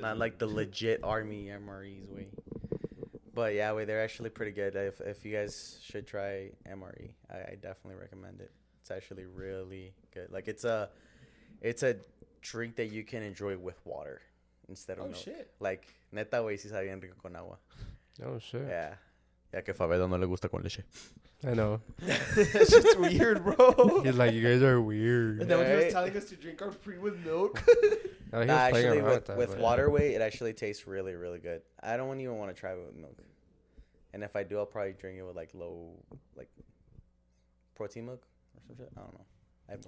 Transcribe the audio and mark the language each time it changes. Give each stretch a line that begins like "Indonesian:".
English: not like the legit army MREs way. But yeah, wait, they're actually pretty good. If you guys should try MRE, I definitely recommend it. It's actually really good. Like it's a drink that you can enjoy with water instead of milk. Oh shit!
Spanish: Like neta, güey, sí sabe bien rico con agua.
English: Oh shit! Yeah.
Spanish: Ya que Fabedo no le gusta con leche.
English: I know. It's just weird, bro. He's like, you guys are weird. And then right? He was telling us to drink our pre with milk. No, nah, actually, with water weight, it actually tastes really, really good. I don't even want to try it with milk. And if I do, I'll probably drink it with, like, low, like, protein milk or some shit. I don't know.